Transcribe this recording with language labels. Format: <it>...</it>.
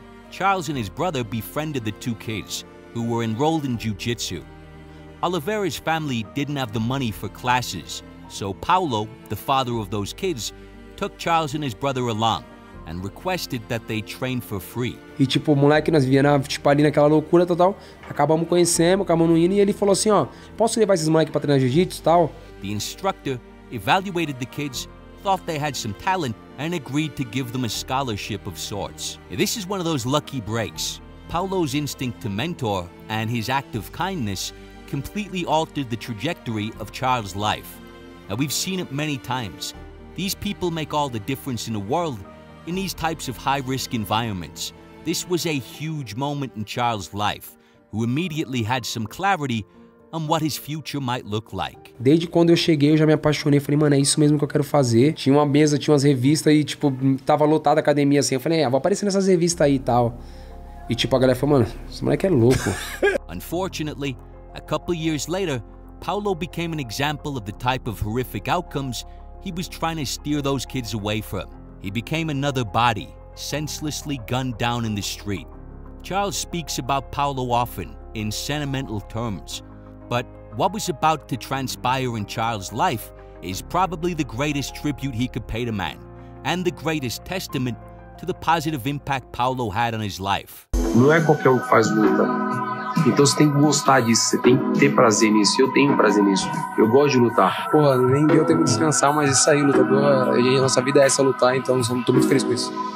<en>Charles and his brother befriended the two kids, who were enrolled in jiu-jitsu. Oliveira's family didn't have the money for classes, so Paulo, the father of those kids, took Charles and his brother along and requested that they train for free.</en> <pt>E tipo, moleque, nós vivia na, tipo, ali naquela loucura total, acabamos conhecendo, acabamos indo, e ele falou assim, ó, posso levar esses moleques para treinar jiu-jitsu, tal?</pt> <en>The instructor evaluated the kids, thought they had some talent, and agreed to give them a scholarship of sorts. This is one of those lucky breaks. Paulo's instinct to mentor and his act of kindness completely altered the trajectory of Charles' life. Now, we've seen it many times. These people make all the difference in the world in these types of high-risk environments. This was a huge moment in Charles' life, who immediately had some clarity on what his future might look like.</en> <pt>Desde quando eu cheguei, eu já me apaixonei. Falei, mano, é isso mesmo que eu quero fazer. Tinha uma mesa, tinha umas revistas e, tipo, tava lotada a academia, assim. Eu falei, vou aparecer nessas revistas aí e tal. E tipo, a galera falou, mano, esse moleque é louco.</pt> <en>Unfortunately, a couple of years later, Paulo became an example of the type of horrific outcomes he was trying to steer those kids away from. He became another body, senselessly gunned down in the street. Charles speaks about Paulo often, in sentimental terms. But what was about to transpire in Charles' life is probably the greatest tribute he could pay to man, and the greatest testament to the positive impact Paulo had on his life.</en> <pt>Não é qualquer um que faz luta. Então você tem que gostar disso, você tem que ter prazer nisso. Eu tenho prazer nisso. Eu gosto de lutar. Porra, nem deu tempo de descansar, mas isso aí, lutador. A nossa vida é essa, lutar, então eu tô muito feliz com isso.</pt>